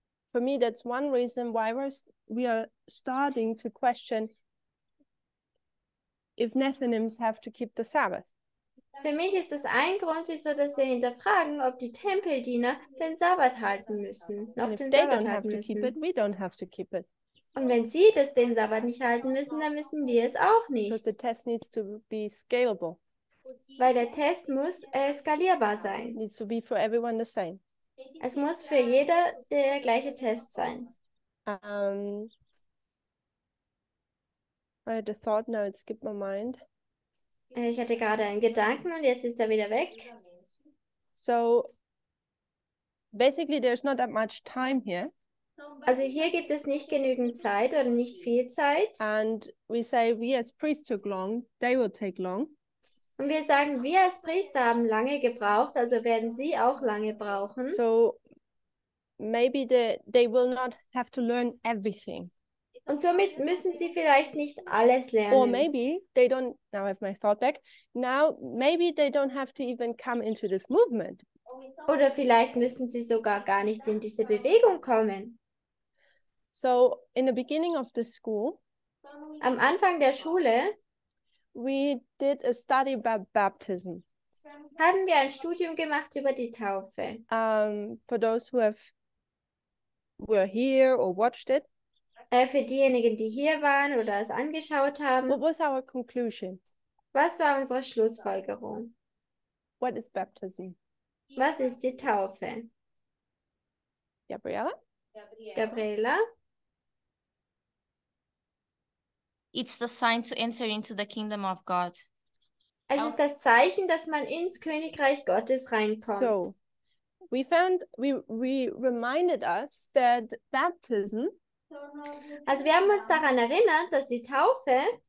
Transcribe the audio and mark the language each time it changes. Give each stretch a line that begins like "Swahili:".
English: For me, that's one reason why we are starting to question if Nethinims have to keep the Sabbath.
German: Für mich ist das ein Grund, wieso dass wir hinterfragen, ob die Tempeldiener den Sabbat halten müssen. Noch
English: and if
German: den
English: they
German: Sabbat
English: don't have
German: halten
English: to
German: müssen.
English: Keep it, we don't have to keep it.
German: Und wenn sie das den Sabbat nicht halten müssen, dann müssen wir es auch nicht.
English: Because the test needs to be scalable.
German: Weil der Test muss skalierbar sein.
English: It needs to be for everyone the same.
German: Es muss für jeder der gleiche Test sein.
English: I had a thought, now it skipped my mind.
German: Ich hatte gerade einen Gedanken und jetzt ist er wieder weg.
English: So, basically there's not that much time here.
German: Also hier gibt es nicht genügend Zeit oder nicht viel Zeit.
English: And we say we as priests took long, they will take long.
German: Und wir sagen, wir als Priester haben lange gebraucht, also werden sie auch lange brauchen.
English: So, maybe they will not have to learn everything.
German: Und somit müssen sie vielleicht nicht alles lernen.
English: Or maybe they don't, now I have my thought back, now maybe they don't have to even come into this movement.
German: Oder vielleicht müssen sie sogar gar nicht in diese Bewegung kommen.
English: So, in the beginning of the school,
German: am Anfang der Schule,
English: we did a study about baptism.
German: Haben wir ein Studium gemacht über die Taufe.
English: For those who have, were here or watched it,
German: Für diejenigen, die hier waren oder es angeschaut haben.
English: What was our conclusion?
German: Was war unsere Schlussfolgerung?
English: What is baptism?
German: Was ist die Taufe?
English: Gabriela?
German: Gabriela?
English: It's the sign to enter into the kingdom of God.
German: Es ist das Zeichen, dass man ins Königreich Gottes reinkommt.
English: So, we reminded us that baptism.
German: Also wir haben uns daran erinnert, dass die Taufe